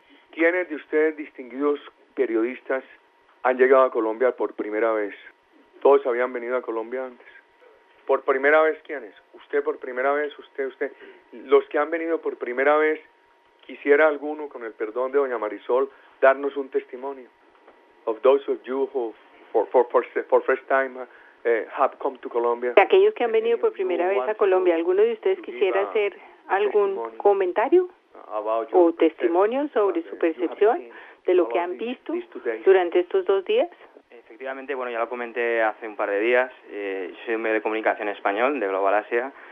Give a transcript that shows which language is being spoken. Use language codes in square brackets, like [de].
[es] ¿Quiénes de ustedes, distinguidos periodistas, han llegado a Colombia por primera vez? ¿Todos habían venido a Colombia antes? ¿Por primera vez quiénes? ¿Usted por primera vez? ¿Usted? ¿Los que han venido por primera vez, quisiera alguno, con el perdón de doña Marisol, darnos un testimonio? [en] Of those of you who, for first time, have come to Colombia. [es] Aquellos que han venido por primera vez a Colombia, ¿alguno de ustedes quisiera hacer algún comentario o testimonio sobre su percepción de lo que han visto durante estos dos días? Efectivamente, bueno, ya lo comenté hace un par de días, yo soy un medio de comunicación español de Global Asia.